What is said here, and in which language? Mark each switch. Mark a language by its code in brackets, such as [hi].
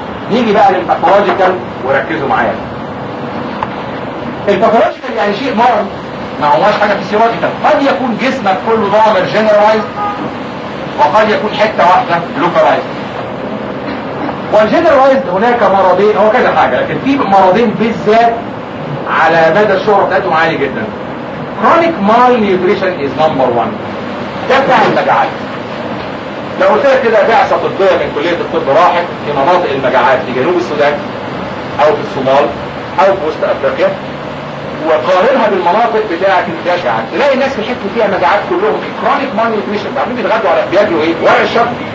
[ar] نيجي بقى للباثولوجيكال وركزوا معايا. الباثولوجيكال يعني شيء مرض ما هوش حاجه فيسيولوجيكال. قد يكون جسمك كله ضامر جنرالايزد وقد يكون حتة واحدة localized. والجنرالايزد هناك مرضين هو كذا حاجة لكن في مرضين بالذات على مدى الشهرة بتاعتهم عالي جدا. [en] chronic malnutrition is number one. [ar] ده بتاع المجاعات. لو قلت كده بعثة طبية من كلية الطب راحت في مناطق المجاعات في جنوب السودان او في الصومال او في وسط افريقيا وقارنها بالمناطق بتاعت الجشع تلاقي الناس اللي حكوا فيها مجاعات كلهم في كرونيك مالنيوتريشن عاملين بيتغدوا على بياكلوا ايه ورق الشجر.